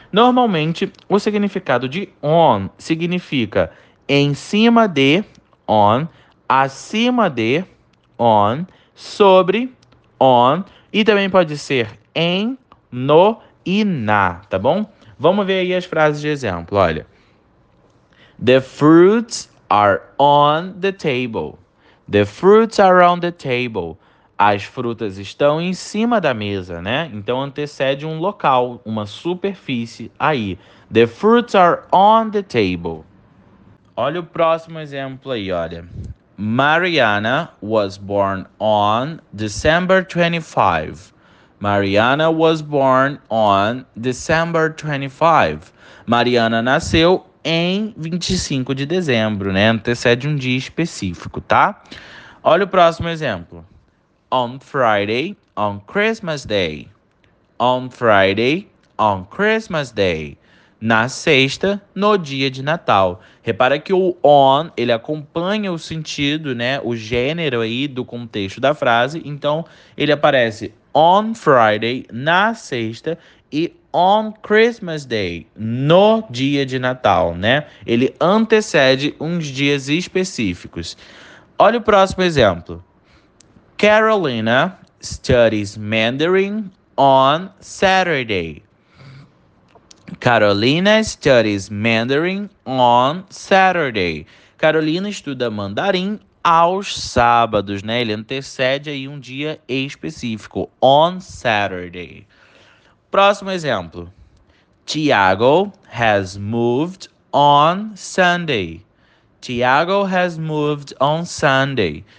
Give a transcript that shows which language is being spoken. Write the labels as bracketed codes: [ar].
[pt] Normalmente, o significado de on significa em cima de, on, acima de, on, sobre, on, e também pode ser em, no e na, tá bom? Vamos ver aí as frases de exemplo, olha. [en] The fruits are on the table. The fruits are on the table. [pt] As frutas estão em cima da mesa, né? Então antecede um local, uma superfície aí. [en] The fruits are on the table. [pt] Olha o próximo exemplo aí, olha. [en] Mariana was born on December 25. Mariana was born on December 25. [pt] Mariana nasceu em 25 de dezembro, né? Antecede um dia específico, tá? Olha o próximo exemplo. [en] On Friday, on Christmas Day. On Friday, on Christmas Day. [pt] Na sexta, no dia de Natal. Repara que o on, ele acompanha o sentido, né? O gênero aí do contexto da frase. Então, ele aparece [en] on Friday, [pt] na sexta, e [en] on Christmas Day, [pt] no dia de Natal, né? Ele antecede uns dias específicos. Olha o próximo exemplo. [en] Carolina studies Mandarin on Saturday. Carolina studies Mandarin on Saturday. [pt] Carolina estuda mandarim aos sábados, né? Ele antecede aí um dia específico, [en] on Saturday. [pt] Próximo exemplo. [en] Tiago has moved on Sunday. Tiago has moved on Sunday.